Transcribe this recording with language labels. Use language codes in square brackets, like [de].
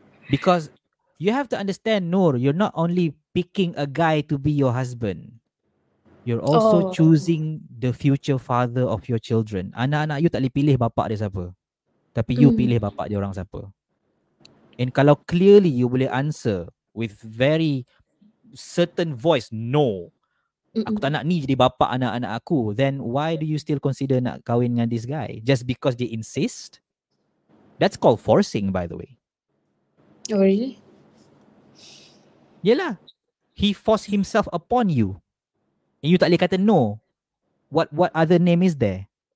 [en] Because you have to understand, Nur, you're not only picking a guy to be your husband. You're also choosing the future father of your children. [ms] Anak-anak you tak boleh pilih bapak dia siapa. Tapi you pilih bapak dia orang siapa. [en] And [ms] kalau [en] clearly you [ms] boleh [en] answer with very certain voice, no. [ms] Aku tak nak ni jadi bapak anak-anak aku. [en] Then why do you still consider [ms] nak kahwin dengan [en] this guy? Just because they insist? That's called forcing, by the way. Oh, really? [ms] Yelah. [en] He forced himself upon you. And you [ms] tak boleh kata [en] no. What other name is there?